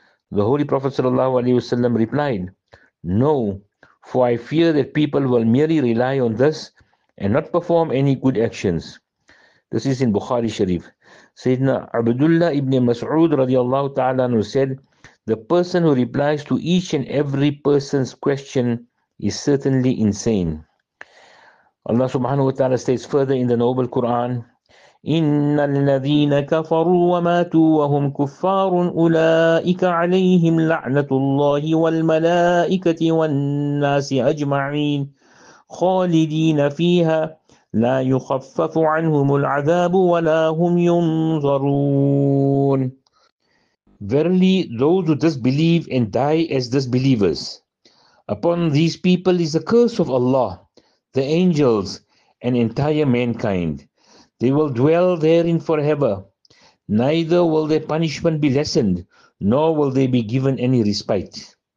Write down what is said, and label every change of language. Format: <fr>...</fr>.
<en>The Holy Prophet sallallahu alayhi wasallam replied, no, for I fear that people will merely rely on this and not perform any good actions. This is in Bukhari Sharif. Sayyidina Abdullah ibn Mas'ud radiyallahu ta'ala anhu said, the person who replies to each and every person's question is certainly insane. Allah subhanahu wa ta'ala states further in the Noble Quran,</en> <ar>إِنَّ الَّذِينَ كَفَرُوا وَمَاتُوا وَهُمْ كُفَّارٌ أُولَٰئِكَ عَلَيْهِمْ لَعْنَةُ اللَّهِ وَالْمَلَائِكَةِ وَالنَّاسِ أَجْمَعِينَ خَالِدِينَ فِيهَا لَا يُخَفَّفُ عَنْهُمُ الْعَذَابُ وَلَا هُمْ يُنْظَرُونَ.</ar> <en>Verily, those who disbelieve and die as disbelievers, upon these people is the curse of Allah, the angels, and entire mankind. They will dwell therein forever. Neither will their punishment be lessened, nor will they be given any respite.</en>